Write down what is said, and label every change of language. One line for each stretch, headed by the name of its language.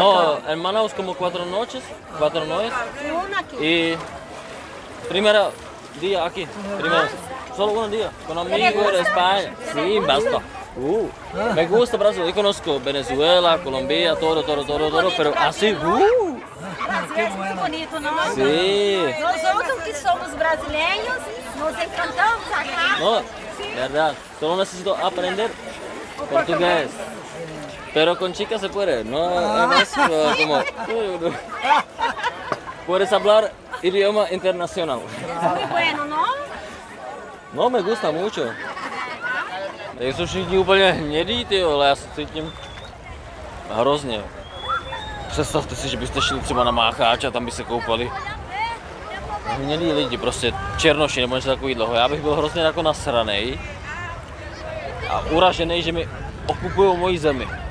Spanish: No, en Manaus como 4 noches. 4 noches. Y una aquí. Y primer día aquí. Primero. Solo un día. Con amigos de España. Sí, basta. Me gusta Brasil. Yo conozco Venezuela, Colombia, todo, pero así.
Portuguese: brasileiros, muito bonito, não? Sim. Nós outros que somos brasileiros, nos encantamos a casa. Não, verdade. Só necessito aprender português.
Spanish: Pero con chicas se puede, no, como, puedes hablar idioma internacional. Es muy bueno, ¿no? No, me gusta mucho.
Czech: Tak jsou všichni úplně hnědý, tyjo, ale já se cítím hrozně. Představte si, že byste šli třeba na Mácháč a tam by se koupali hnědý lidi, prostě černoši nebo něco takový dlouho. Já bych byl hrozně jako nasranej a uražený, že mi okupují moji zemi.